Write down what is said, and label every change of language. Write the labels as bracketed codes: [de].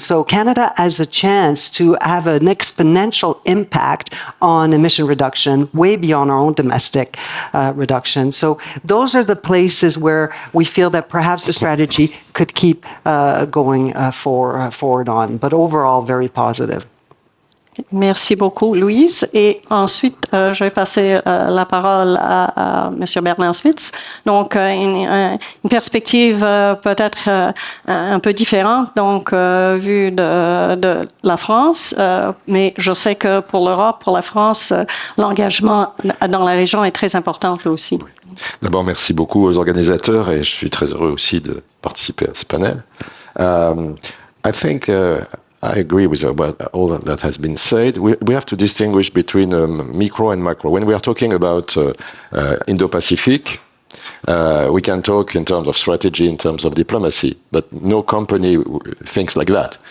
[en] So Canada has a chance to have an exponential impact on emission reduction, way beyond our own domestic reduction. So those are the places where we feel that perhaps the strategy could keep going forward on. But overall, very positive. [fr] Merci beaucoup, Louise. Et ensuite, je vais passer la parole à M. Bernard Spitz. Donc, une perspective peut-être un peu différente, donc, vue de la France. Mais je sais que pour l'Europe, pour la France, l'engagement dans la région est très important aussi. Oui. D'abord, merci beaucoup aux organisateurs et je suis très heureux aussi de participer à ce panel. [en] I think... I agree with all that has been said. We have to distinguish between micro and macro. When we are talking about Indo-Pacific, we can talk in terms of strategy, in terms of diplomacy, but no company thinks like that.